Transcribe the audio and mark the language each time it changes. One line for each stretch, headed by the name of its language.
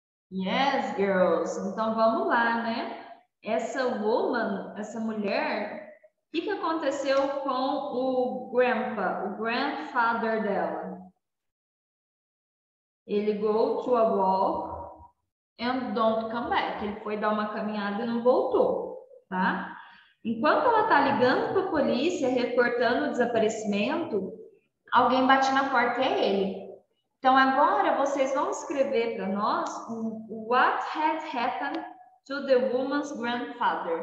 English: Yes, girls.
Portuguese: Então vamos lá, né? Essa woman, essa mulher, que aconteceu com o grandpa, o grandfather dela?
English: Ele go to a walk and don't come back.
Portuguese: Ele foi dar uma caminhada e não voltou, tá? Enquanto ela tá ligando pra polícia, reportando o desaparecimento, alguém bate na porta e é ele. Então agora vocês vão escrever para nós o
English: what had happened to the woman's grandfather.